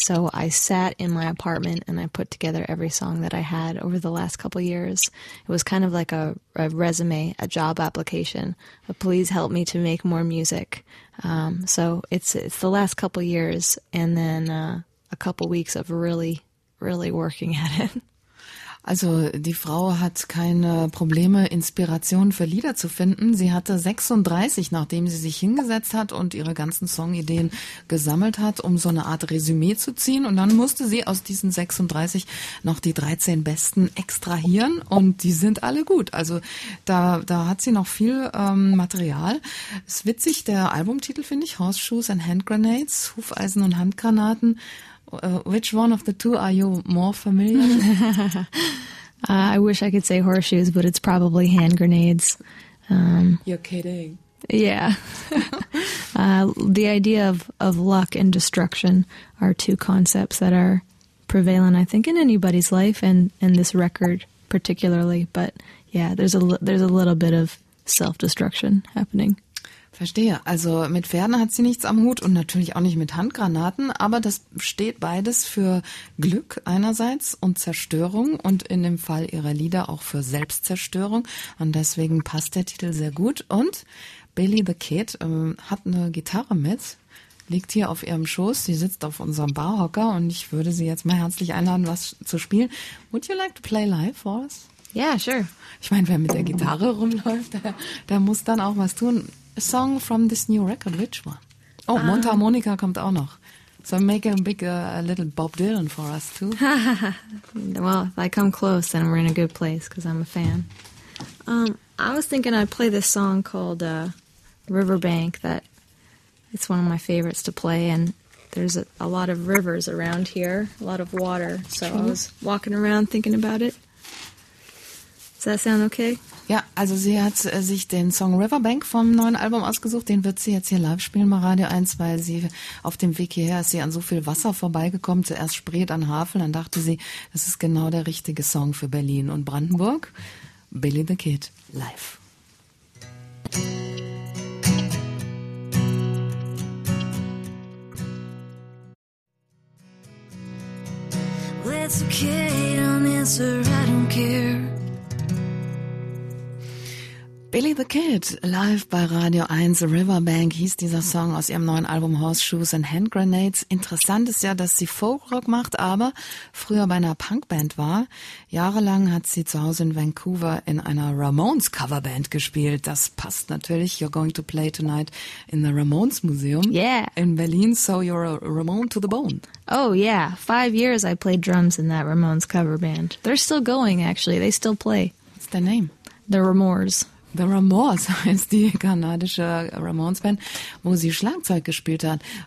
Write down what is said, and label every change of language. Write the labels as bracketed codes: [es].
[en] So I sat in my apartment and I put together every song that I had over the last couple years. It was kind of like a resume, a job application. But please help me to make more music. So it's the last couple years and then a couple weeks of really, really working at it. [de] Also die Frau hat keine Probleme, Inspiration für Lieder zu finden. Sie hatte 36, nachdem sie sich hingesetzt hat und ihre ganzen Songideen gesammelt hat, um so eine Art Resümee zu ziehen. Und dann musste sie aus diesen 36 noch die 13 besten extrahieren und die sind alle gut. Also da hat sie noch viel Material. Ist witzig, der Albumtitel finde ich, Horseshoes and Hand Grenades, Hufeisen und Handgranaten. [en] Which one of the two are you more familiar with? I wish I could say horseshoes, but it's probably hand grenades. You're kidding. Yeah. The idea of luck and destruction are two concepts that are prevalent, I think, in anybody's life and this record particularly. But yeah, there's a little bit of self-destruction happening. [de] Verstehe. Also mit Pferden hat sie nichts am Hut und natürlich auch nicht mit Handgranaten, aber das steht beides für Glück einerseits und Zerstörung und in dem Fall ihrer Lieder auch für Selbstzerstörung. Und deswegen passt der Titel sehr gut. Und Billy the Kid hat eine Gitarre mit, liegt hier auf ihrem Schoß. Sie sitzt auf unserem Barhocker und ich würde sie jetzt mal herzlich einladen, was zu spielen. [en] Would you like to play live for us? Yeah, sure. [de] Ich meine, wer mit der Gitarre rumläuft, der muss dann auch was tun. [en] A song from this new record, which one? [de] Oh, Mundharmonika kommt auch noch. [en] So make a little Bob Dylan for us too. Well, if I come close, then we're in a good place because I'm a fan. I was thinking I'd play this song called Riverbank. That it's one of my favorites to play, and there's a lot of rivers around here, a lot of water. So I was walking around thinking about it. Does that sound okay? [de] Ja, also sie hat sich den Song Riverbank vom neuen Album ausgesucht. Den wird sie jetzt hier live spielen bei Radio 1, weil sie auf dem Weg hierher ist sie an so viel Wasser vorbeigekommen. Zuerst Spree, dann Havel. Dann dachte sie, das ist genau der richtige Song für Berlin und Brandenburg. Billy the Kid live. [en] Well, it's okay, don't answer, I don't care. [de] Billy the Kid, live bei Radio 1, Riverbank, hieß dieser Song aus ihrem neuen Album Horseshoes and Hand Grenades. Interessant ist ja, dass sie Folkrock macht, aber früher bei einer Punkband war. Jahrelang hat sie zu Hause in Vancouver in einer Ramones Coverband gespielt. Das passt natürlich. [en] You're going to play tonight in the Ramones Museum. Yeah. In Berlin, so you're a Ramone to the bone. Oh yeah, 5 years I played drums in that Ramones cover band. They're still going actually, they still play. What's their name? The Ramones. [de] The Ramones heißt die kanadische Ramones-Band, wo sie Schlagzeug gespielt hat.